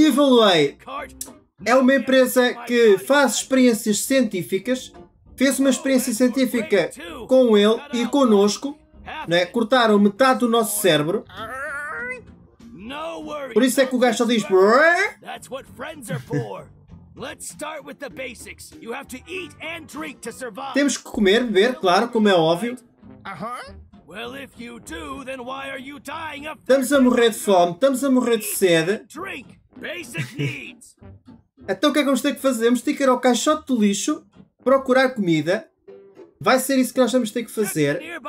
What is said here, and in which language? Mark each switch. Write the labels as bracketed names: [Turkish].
[Portuguese] Evil Way é uma empresa que faz experiências científicas. Fez uma experiência científica com ele e connosco, né? Cortaram metade do nosso cérebro. Por isso é que o gajo só diz [English] That's what friends are for. Let's start with the basics. You have to eat and drink to survive. [Portuguese] Temos que comer, beber, claro, como é óbvio. [English] Well, if you do, then why are you dying of... [Portuguese] Estamos a morrer de fome, estamos a morrer de sede. [English] Drink. Basic needs. [Portuguese] Então o que é que vamos ter que fazer? Vamos ter que ir ao caixote do lixo, procurar comida. Vai ser isso que nós vamos ter que fazer.